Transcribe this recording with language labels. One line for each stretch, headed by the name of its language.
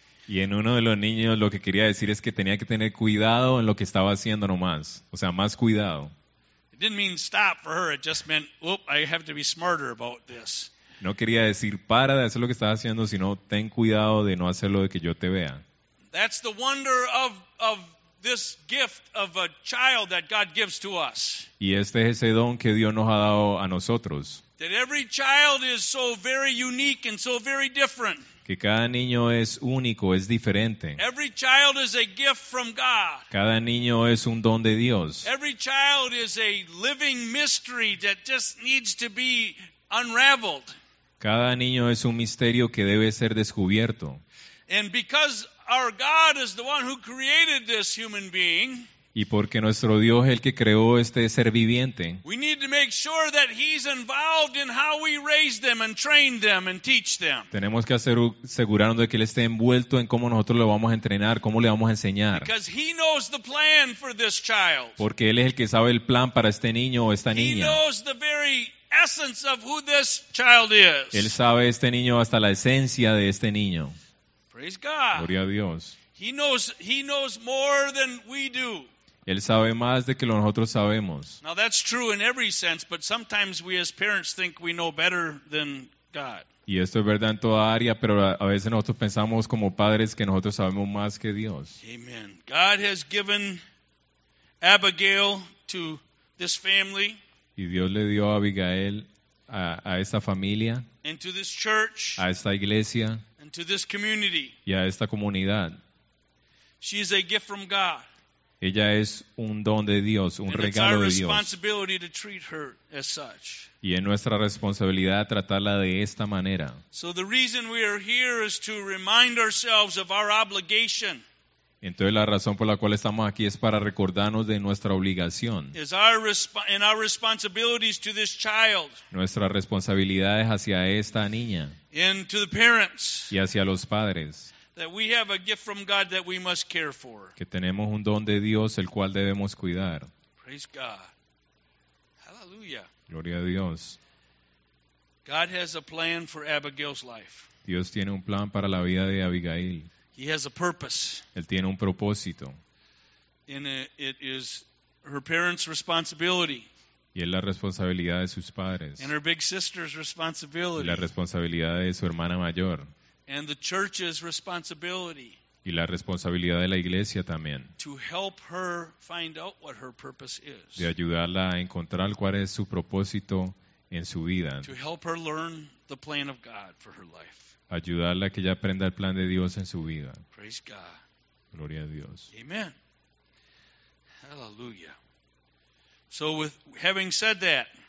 Spanish: Y en uno de los niños lo que quería decir es que tenía que tener cuidado en lo que estaba haciendo nomás. O sea, más cuidado.
English: Didn't mean stop for her. It just meant, oop, I have to be smarter about this.
Spanish: No quería decir para de hacer lo que estás haciendo, sino ten cuidado de no hacerlo de que yo te vea.
English: That's the wonder of this gift of a child that God gives to us.
Spanish: Y este es ese don que Dios nos ha dado a nosotros.
English: That every child is so very unique and so very different.
Spanish: Que cada niño es único, es diferente.
English: Every child is a gift from God.
Spanish: Cada niño es un don de Dios.
English: Every child is a living mystery that just needs to be unraveled.
Spanish: Cada niño es un misterio que debe ser descubierto.
English: And because our God is the one who created this human being,
Spanish: y porque nuestro Dios es el que creó este ser viviente,
English: we need to make sure that he's involved in how we raise them and train them and teach them.
Spanish: Tenemos que asegurarnos de que él esté envuelto en cómo nosotros lo vamos a entrenar, cómo le vamos a enseñar.
English: Because he knows the plan for this child.
Spanish: Porque él es el que sabe el plan para este niño o esta niña.
English: He knows the very essence of who this child is.
Spanish: Él sabe este niño hasta la esencia de este niño.
English: Praise God.
Spanish: Gloria a Dios.
English: He knows more than we do.
Spanish: Él sabe más de que lo nosotros sabemos.
English: Now that's true in every sense, but sometimes we as parents think we know better than God.
Spanish: Y esto es verdad en toda área, pero a veces nosotros pensamos como padres que nosotros sabemos más que Dios.
English: Amen. God has given Abigail to this family.
Spanish: Y Dios le dio a Abigail a esta familia.
English: And to this church.
Spanish: A esta iglesia.
English: And to this community.
Spanish: Y a esta comunidad.
English: She is a gift from God.
Spanish: Ella es un don de Dios, un regalo de Dios.
English: To treat her as such.
Spanish: Y es nuestra responsabilidad tratarla de esta manera.
English: So the reason we are here is to remind ourselves of our obligation.
Spanish: Entonces la razón por la cual estamos aquí es para recordarnos de nuestra obligación.
English: Our responsibilities to this child.
Spanish: Nuestras responsabilidades hacia esta niña.
English: And to the parents.
Spanish: Y hacia los padres.
English: That we have a gift from God that we must care for.
Spanish: Que tenemos un don de Dios el cual debemos cuidar.
English: Praise God. Hallelujah.
Spanish: Gloria a Dios.
English: God has a plan for Abigail's life.
Spanish: Dios tiene un plan para la vida de Abigail.
English: He has a purpose.
Spanish: Él tiene un propósito.
English: And it is her parents' responsibility.
Spanish: Y es la responsabilidad de sus padres.
English: And her big sister's responsibility.
Spanish: Y la responsabilidad de su hermana mayor.
English: And the church's responsibility.
Spanish: Y la responsabilidad de la iglesia también.
English: To help her find out what her purpose is.
Spanish: De ayudarla a encontrar cuál es su propósito en su vida.
English: To help her learn the plan of God for her life.
Spanish: Ayudarla a que ella aprenda el plan de Dios en su vida.
English: Praise God.
Spanish: Gloria a Dios.
English: Amen. Hallelujah. So with having said that.